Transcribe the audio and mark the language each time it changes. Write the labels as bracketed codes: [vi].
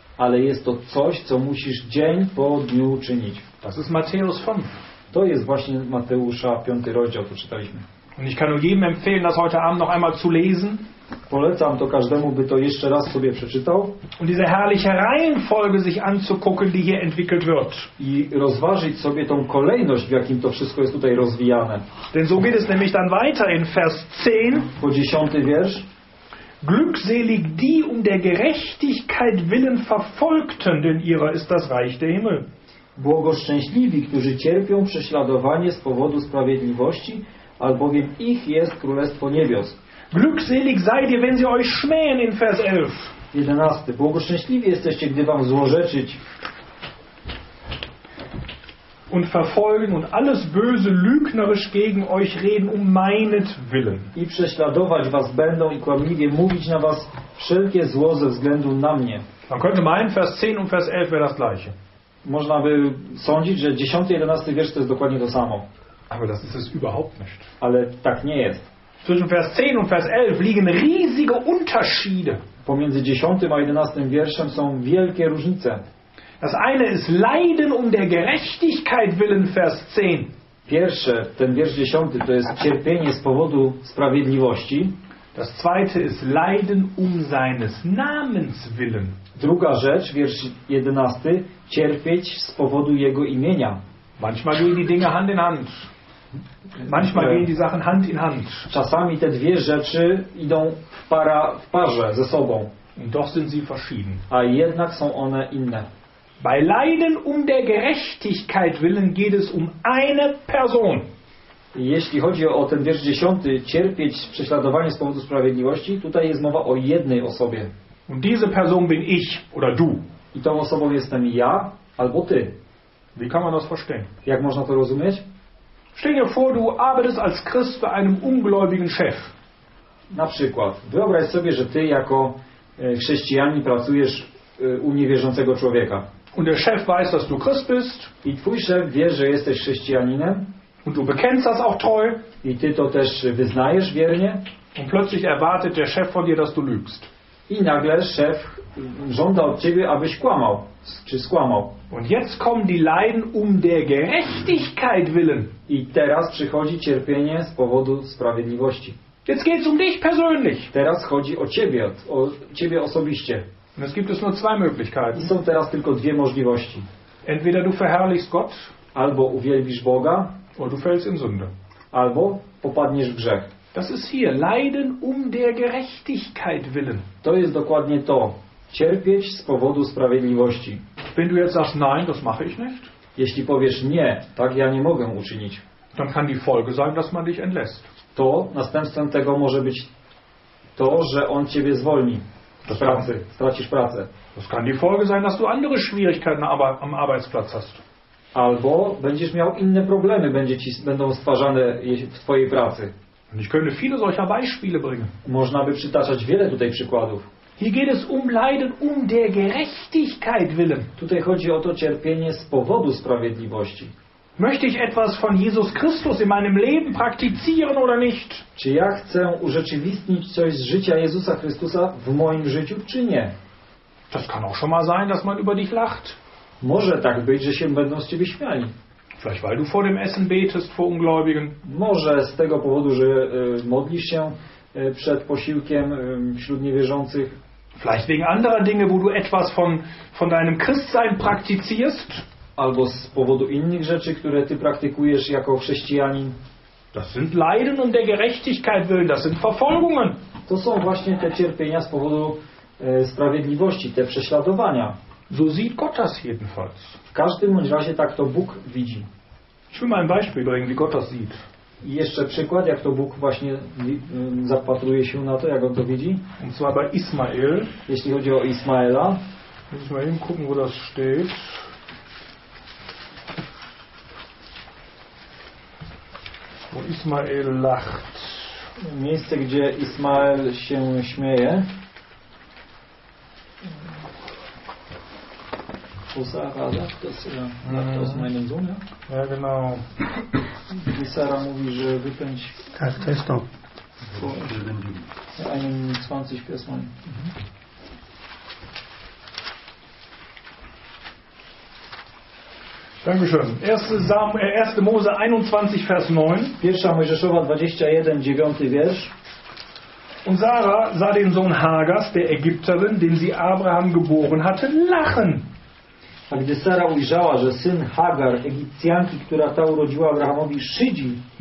[pl] Ale jest to coś, co musisz dzień po dniu czynić. [de] Das ist Matthäus 5. [pl] To jest właśnie Mateusza 5 rozdział, to czytaliśmy. [de] Und ich kann nur jedem empfehlen, das heute Abend noch einmal zu lesen. [pl] Polecam to każdemu, by to jeszcze raz sobie przeczytał. [de] Und diese herrliche Reihenfolge sich anzugucken, die hier entwickelt wird. [pl] I rozważyć sobie tą kolejność, w jakim to wszystko jest tutaj rozwijane. [de] Denn so geht es nämlich dann weiter in Vers 10. [pl] Po 10. wiersz. [de] Glückselig die um der Gerechtigkeit willen Verfolgten, denn ihrer ist das Reich der Himmel. [pl] Błogoszczęśliwi, którzy cierpią prześladowanie z powodu sprawiedliwości, albowiem ich jest Królestwo Niebios. [de] Glückselig seid ihr, wenn sie euch schmähen in Vers 11. [pl] 11. Błogoszczęśliwi jesteście, gdy wam złorzeczyć. [de] Und verfolgen und alles böse lügnerisch gegen euch reden um meinetwillen. [pl] I prześladować was będą i kłamliwie mówić na was wszelkie zło ze względu na mnie. [de] Man könnte meinen, Vers 10 und Vers 11 wäre das gleiche. [pl] Można by sądzić, że 10 i 11 wiersz to jest dokładnie to samo. [de] Aber das ist es überhaupt nicht. [pl] Ale tak nie jest. [de] Zwischen Vers 10 und Vers 11 liegen riesige Unterschiede. [pl] Pomiędzy 10 a 11 wierszem są wielkie różnice. [de] Das eine ist Leiden um der Gerechtigkeit willen, Vers 10. [pl] Pierwsze, ten wiersz 10, to jest cierpienie z powodu sprawiedliwości. [de] Das zweite ist Leiden um seines Namens willen. [pl] Druga rzecz, wiersz 11, cierpieć z powodu jego imienia. [de] Manchmal gehen die Dinge Hand in Hand. Manchmal gehen die Sachen Hand in Hand. [pl] Czasami te dwie rzeczy idą w parze ze sobą. [de] Und doch sind sie verschieden. [pl] A jednak są one inne. [de] Bei Leiden um der Gerechtigkeit willen geht es um eine Person. [pl] Jeśli chodzi o ten wiersz 10, cierpieć prześladowanie z powodu sprawiedliwości, tutaj jest mowa o jednej osobie. [de] Und diese Person bin ich oder du. [pl] I tą osobą jestem ja albo ty. [de] Wie kann man das verstehen? [pl] Jak można to rozumieć? [de] Stell dir vor, du arbeitest als Christ bei einem ungläubigen Chef. [pl] Na przykład, wyobraź sobie, że ty jako chrześcijanin pracujesz u niewierzącego człowieka. [de] Und der Chef weiß, dass du Christ bist. [pl] I twój szef wie, że jesteś chrześcijaninem. [de] Und du bekennst das auch treu. [pl] I ty to też wyznajesz wiernie. [de] Und plötzlich erwartet der Chef von dir, dass du lügst. [pl] I nagle szef żąda od ciebie, abyś kłamał, czy skłamał. [de] Und jetzt kommen die Leiden um der Gerechtigkeit willen. [pl] I teraz przychodzi cierpienie z powodu sprawiedliwości. [de] Jetzt geht's um dich persönlich. [pl] Teraz chodzi o ciebie osobiście. [de] Und es gibt nur zwei Möglichkeiten. [pl] I są teraz tylko dwie możliwości. [de] Entweder du verherrlichst Gott, [pl] albo uwielbisz Boga, [de] oder du fällst in Sünde. [pl] Albo popadniesz w grzech. [de] Das ist hier Leiden um der Gerechtigkeit willen. [pl] To jest dokładnie to. Cierpieć z powodu sprawiedliwości. [de] Wenn du jetzt sagst, nein, das mache ich nicht. [pl] Jeśli powiesz nie, tak ja nie mogę uczynić. [de] Dann kann die Folge sein, dass man dich entlässt. [pl] To następstwem tego może być to, że on ciebie zwolni. Z pracy. Stracisz pracę. [de] Das kann die Folge sein, dass du andere Schwierigkeiten am Arbeitsplatz hast. [pl] Albo będziesz miał inne problemy, będą stwarzane w twojej pracy. [de] Ich könnte viele solcher Beispiele bringen. [pl] Można by przytaczać wiele tutaj przykładów. [de] Hier geht es um Leiden um der Gerechtigkeit willen. [pl] Tutaj chodzi o to cierpienie z powodu sprawiedliwości. [de] Möchte ich etwas von Jesus Christus in meinem Leben praktizieren oder nicht? [pl] Czy ja chcę urzeczywistnić coś z życia Jezusa Chrystusa w moim życiu, czy nie? [de] Das kann auch schon mal sein, dass man über dich lacht. [pl] Może tak być, że się będą z ciebie śmiali. [de] Vielleicht weil du vor dem Essen betest vor Ungläubigen. [pl] Może z tego powodu, że modlisz się przed posiłkiem wśród niewierzących. [de] Vielleicht wegen anderer Dinge, wo du etwas von deinem Christsein praktizierst. [pl] Albo z powodu innych rzeczy, które ty praktykujesz jako chrześcijanin. [de] Das sind Leiden um der Gerechtigkeit willen, das sind Verfolgungen. [pl] To są właśnie te cierpienia z powodu sprawiedliwości, te prześladowania. [de] So sieht Gott das jedenfalls. [pl] W każdym razie tak to Bóg widzi. [de] Ich will mal ein Beispiel bringen, wie Gott das sieht. [pl] I jeszcze przykład, jak to Bóg właśnie zapatruje się na to, jak on to widzi. [de] Und zwar bei Ismael. [pl] Jeśli chodzi o Ismaela. [de] Muss ich mal hingucken, wo das steht. Wo Ismael lacht. [pl] Miejsce, gdzie Ismael się śmieje. [de] Wo Sarah lacht, das lacht aus meinem Sohn, ja? Ja, genau. [pl] I Sarah mówi, że wypędź. Tak, to jest to. Einen 20 Pesman. [de] Dankeschön. 1. Mose 21, Vers 9. [pl] 1. Mojżeszowa 21, 9. Wiersz. [de] Und Sarah sah den Sohn Hagars, der Ägypterin, den sie Abraham geboren hatte, lachen. [pl] A gdy Sara ujrzała, że syn Hagar, Egipcjanki, która ta urodziła Abrahamowi, szydzi.